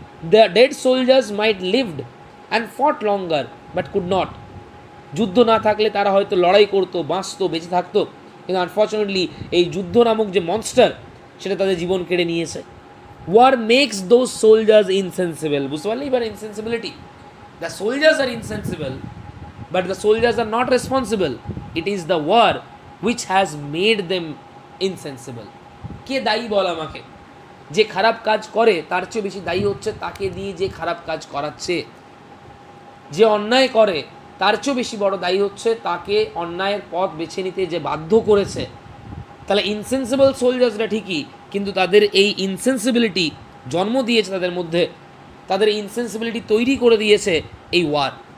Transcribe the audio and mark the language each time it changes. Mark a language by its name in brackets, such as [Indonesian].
[English] The dead soldiers might lived and fought longer but could not. [Bangla] যুদ্ধ না থাকলে তারা হয়তো লড়াই করতো, বাঁচতো, বেঁচে থাকতো, কিন্তু আনফর্চুনেটলি এই যুদ্ধ নামক যে মনস্টার সেটা তাদের জীবন কেড়ে নিয়েছে। [English] War makes those soldiers insensible. [Bangla] বুঝতে পারলি এবার [English] Insensibility? The soldiers are insensible But the soldiers are not responsible. It is the war which has made them insensible. [Bangla] কে দায়ী বল আমাকে? যে খারাপ কাজ করে তার চেয়ে বেশি দায়ী হচ্ছে তাকে দিয়ে যে খারাপ কাজ করাচ্ছে। যে অন্যায় করে তার চেয়ে বেশি বড় দায়ী হচ্ছে তাকে অন্যায়ের পথ বেছে নিতে যে বাধ্য করেছে। তাহলে ইনসেন্সিবল সোলজার্সরা ঠিকই, কিন্তু তাদের এই ইনসেন্সিবিলিটি জন্ম দিয়েছে তাদের মধ্যে, তাদের ইনসেন্সিবিলিটি তৈরি করে দিয়েছে এই ওয়ার।